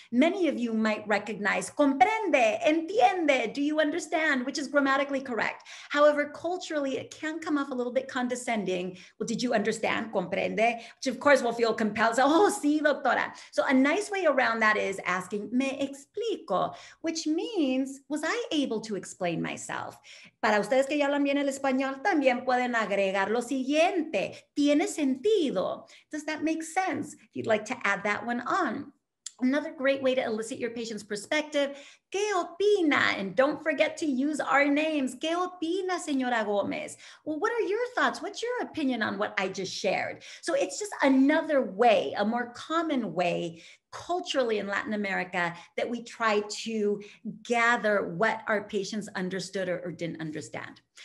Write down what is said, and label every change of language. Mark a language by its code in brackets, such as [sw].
[en] Many of you might recognize, comprende, entiende, do you understand, which is grammatically correct. However, culturally, it can come off a little bit condescending. Well, did you understand, comprende? Which of course will feel compelled, so, oh, sí, doctora. So a nice way around that is asking, [es] me explico, [en] which means, was I able to explain myself? [es] Para ustedes que ya hablan bien el español, también pueden agregar lo siguiente. ¿Tiene sentido? [en] Does that make sense? If you'd like to add that one on. Another great way to elicit your patient's perspective, [es] ¿qué opina? [en] And don't forget to use our names. [es] ¿Qué opina, señora Gómez? [en] Well, what are your thoughts? What's your opinion on what I just shared? So it's just another way, a more common way, culturally in Latin America, that we try to gather what our patients understood or didn't understand.